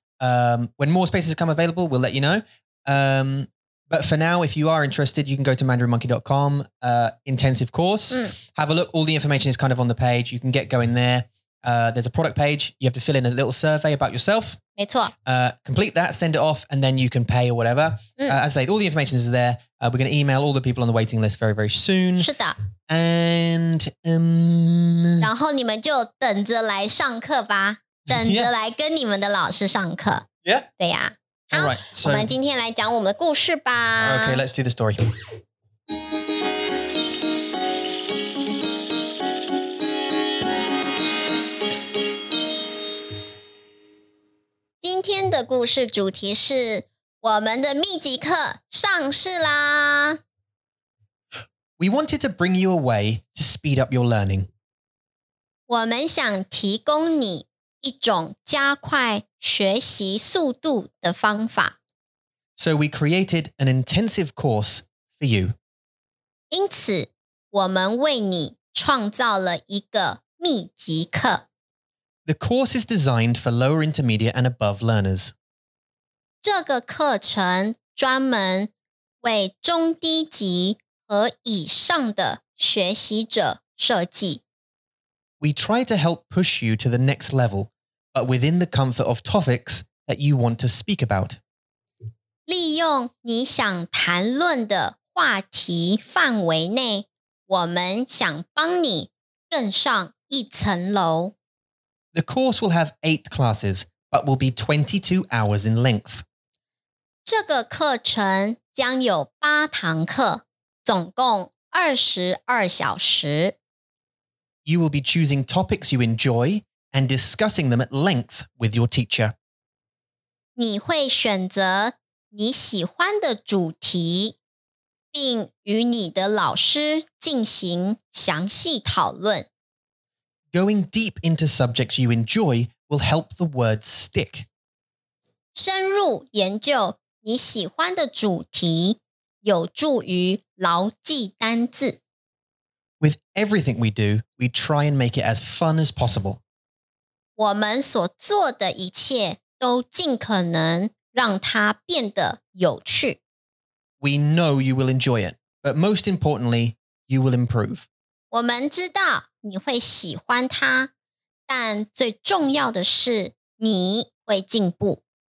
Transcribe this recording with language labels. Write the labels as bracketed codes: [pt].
[en] When more spaces come available, we'll let you know. But for now, if you are interested, you can go to mandarinmonkey.com intensive course, have a look. All the information is kind of on the page. You can get going there. There's a product page. You have to fill in a little survey about yourself. [zh] 没错. [en] Complete that, send it off, and then you can pay or whatever. As I say, all the information is there. We're going to email all the people on the waiting list very, very soon. [zh] 是的. [en] And [zh] 然后你们就等着来上课吧，等着来跟你们的老师上课。 [en] Yeah. Yeah. [zh] 对呀。 [en] 好, All right, [zh] so, 我们今天来讲我们的故事吧。 [en] Okay, let's do the story. Today's [zh] 的故事主题是我们的秘籍课上市啦。 [en] We wanted to bring you a way to speed up your learning. [zh] 我们想提供你一种加快学习速度的方法。 [en] So we created an intensive course for you. [zh] 因此，我们为你创造了一个秘籍课。 [en] The course is designed for lower intermediate and above learners. [zh] 这个课程专门为中低级和以上的学习者设计。 [en] We try to help push you to the next level, but within the comfort of topics that you want to speak about. [zh] 利用你想谈论的话题范围内，我们想帮你更上一层楼。 [en] The course will have 8 classes, but will be 22 hours in length. [zh] 这个课程将有8堂课，总共22小时。 [en] You will be choosing topics you enjoy and discussing them at length with your teacher. [zh] 你会选择你喜欢的主题，并与你的老师进行详细讨论。 [en] Going deep into subjects you enjoy will help the words stick. [zh] 深入研究你喜欢的主题，有助于牢记单字。 [en] With everything we do, we try and make it as fun as possible. [zh] 我们所做的一切都尽可能让它变得有趣。 [en] We know you will enjoy it, but most importantly, you will improve. [zh] 我们知道你会喜欢它，但最重要的是你会进步。